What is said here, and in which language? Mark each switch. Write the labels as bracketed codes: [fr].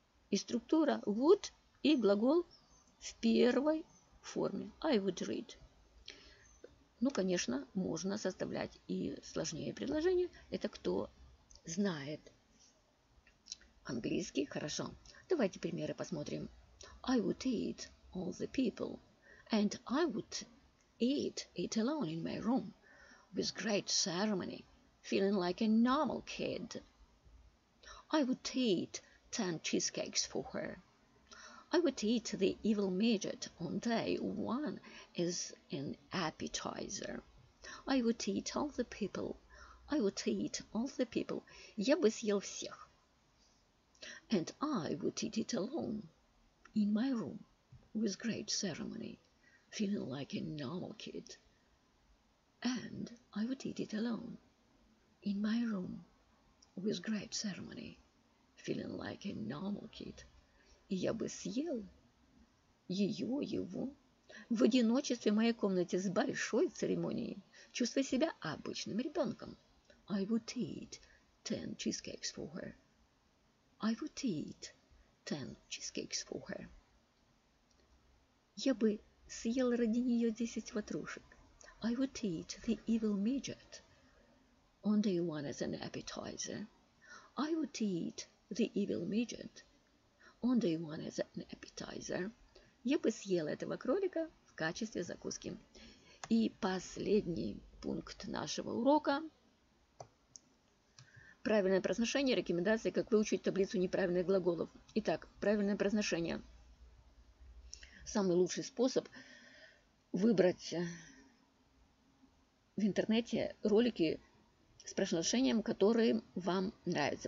[ru] И структура would и глагол в первой форме. [en] I would read. [ru] Ну, конечно, можно составлять и сложнее предложения. Это кто знает английский хорошо. Давайте примеры посмотрим. [en] I would eat all the people. And I would eat it alone in my room. With great ceremony. Feeling like a normal kid. I would eat 10 cheesecakes for her. I would eat the evil midget on day one as an appetizer. I would eat all the people. I would eat all the people. [ru] Я бы съел всех. [en] And I would eat it alone in my room with great ceremony, feeling like a normal kid. And I would eat it alone in my room with great ceremony, feeling like a normal kid. [ru] И я бы съел ее, его, в одиночестве в моей комнате с большой церемонией, чувствуя себя обычным ребенком. [en] I would eat 10 cheesecakes for her. I would eat 10 cheesecakes for her. [ru] Я бы съел ради нее 10 ватрушек. [en] I would eat the evil midget on day one as an appetizer. I would eat the evil midget on day one as an appetizer. [ru] Я бы съела этого кролика в качестве закуски. И последний пункт нашего урока. Правильное произношение. Рекомендации, как выучить таблицу неправильных глаголов. Итак, правильное произношение. Самый лучший способ выбрать в интернете ролики с произношением, которые вам нравятся.